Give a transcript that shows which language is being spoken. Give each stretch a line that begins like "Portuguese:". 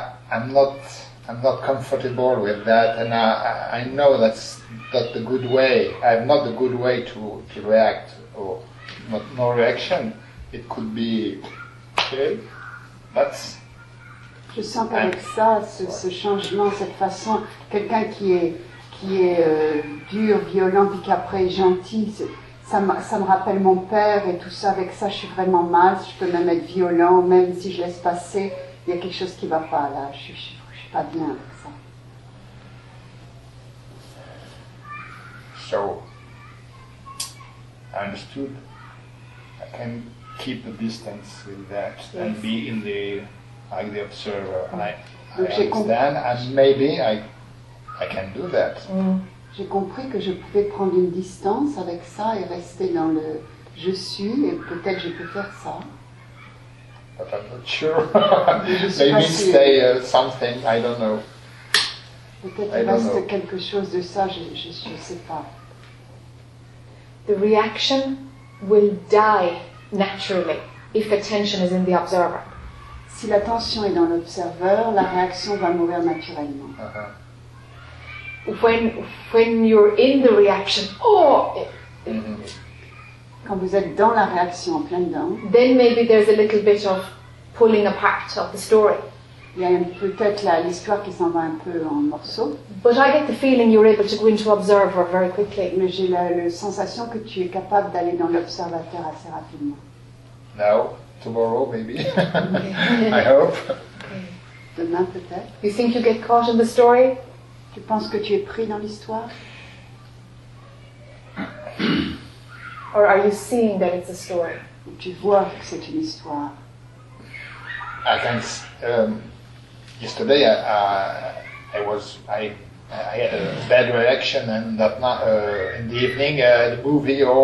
English: I'm not comfortable with that, and I know that's not the good way. I have not the good way to react, or not no reaction. It could be okay. That's.
French: Je sens qu'avec ça, ce changement, cette façon, quelqu'un qui est dur, violent, puis qu'après gentil. Ça me rappelle mon père et tout ça, avec ça je suis vraiment mal, je peux même être violent, même si je laisse passer, il y a quelque chose qui ne va pas là, je suis pas bien avec ça.
English: So, I understood, I can keep a distance with that, yes. And be in the, like the observer, mm. And maybe I can do that. Mm.
French: J'ai compris que je pouvais prendre une distance avec ça et rester dans le « je suis » et peut-être je peux faire ça.
English: But I'm not sure. Maybe stay something, I don't know.
French: Peut-être il reste quelque chose de ça, je sais pas.
English: The reaction will die naturally if the tension is in the observer.
French: Si la tension est dans l'observeur, la réaction va mourir naturellement. Uh-huh.
English: When you're in the reaction, oh! Mm-hmm.
French: Quand vous êtes dans la réaction en plein dedans,
English: then maybe there's a little bit of pulling apart of the story.
French: Il y a peut-être l'histoire qui s'en va un peu en morceaux.
English: But I get the feeling you're able to go into observer very quickly.
French: Mais j'ai la sensation que tu es capable d'aller dans l'observateur assez rapidement.
English: Now, tomorrow maybe. I hope.
French: Demain peut-être.
English: You think you get caught in the story?
French: Tu penses que tu es pris dans l'histoire?
English: Or are you seeing that it's a story?
French: Tu vois que c'est une histoire.
English: I can yesterday I had a bad reaction and that not in the evening the movie